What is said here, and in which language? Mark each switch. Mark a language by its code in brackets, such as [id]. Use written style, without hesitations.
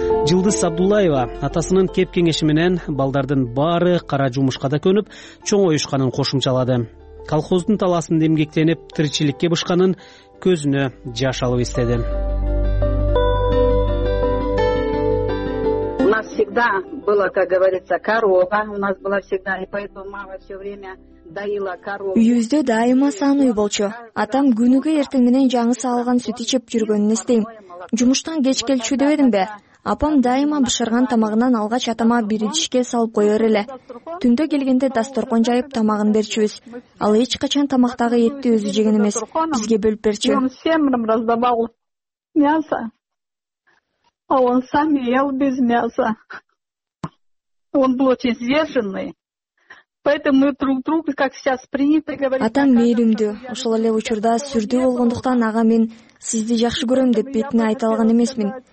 [ky] Жылдыз Абдуллаева атасынын кеп кеңеши менен балдардын баары кара жумушка да көнүп чоңоюшканын кошумчалады. Колхоздун таласында эмгектенип тиричиликке бышканын көзүнө жаш алып эстеди. [ru] У нас всегда было, как говорится, корова. У нас была всегда, и поэтому мама все время доила корову. [ky] Үйүздө дайыма сан үй болчу. Атам күнүгө эртең менен жаңысы алган сүт ичип жүргөнүн эстейм. Жумуштан кеч келчү деп эдим бе? Апам дайыма бышырган тамагынан алгач атама бир идишке салып коёр эле. Түндө келгенде дасторкон жайып тамагын берчүбүз. Ал эч качан тамактагы этти өзү жеген эмес, бизге бөлүп берчү. [ru] Он всем нам раздавал мясо. А он сам ел без мяса. Он был очень сдержанный. Поэтому друг друга, как сейчас принято говорить. [ky] Атам мейримдүү. Ошол эле учурда сүрдүү болгондуктан ага мен сизди жакшы көрөм деп бетине айта алган эмесмин.